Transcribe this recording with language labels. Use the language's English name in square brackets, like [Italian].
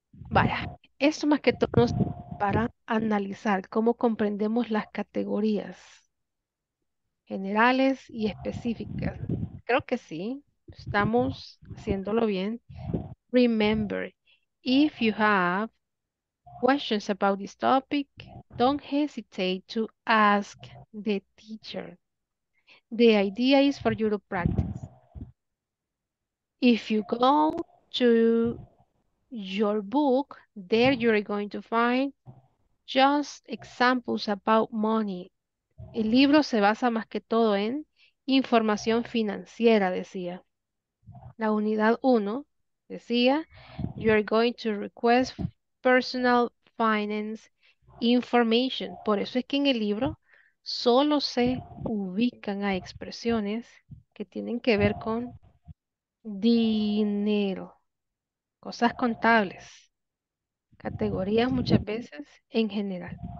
[Spanish] Vaya, esto más que todo es para analizar cómo comprendemos las categorías generales y específicas. Creo que sí, estamos haciéndolo bien. [English] Remember, if you have questions about this topic, don't hesitate to ask the teacher. The idea is for you to practice. If you go to your book, there you're going to find just examples about money. [Spanish] El libro se basa más que todo en información financiera, decía. La unidad 1 decía, [English] you're going to request personal finance information. [Spanish] Por eso es que en el libro solo se ubican a expresiones que tienen que ver con dinero, cosas contables, categorías muchas veces en general.